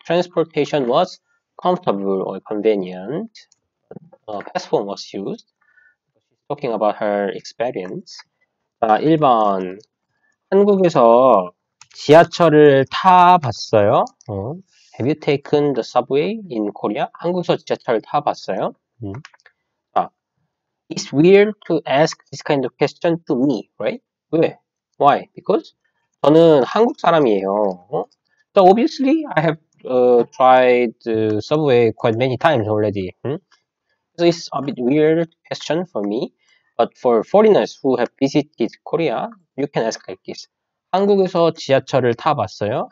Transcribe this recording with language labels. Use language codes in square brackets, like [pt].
[en] Transportation was comfortable or convenient. Passport was used. Talking about her experience. [ko] 자, 1번. 한국에서 지하철을 타봤어요? [en] Have you taken the subway in Korea? [ko] 한국에서 지하철을 타봤어요? [en] It's weird to ask this kind of question to me, right? [ko] 왜? [en] Why? Because [ko] 저는 한국 사람이에요. [en] So obviously, I have tried the subway quite many times already. So it's a bit weird question for me, but for foreigners who have visited Korea, you can ask like this. [ko] 한국에서 지하철을 타봤어요?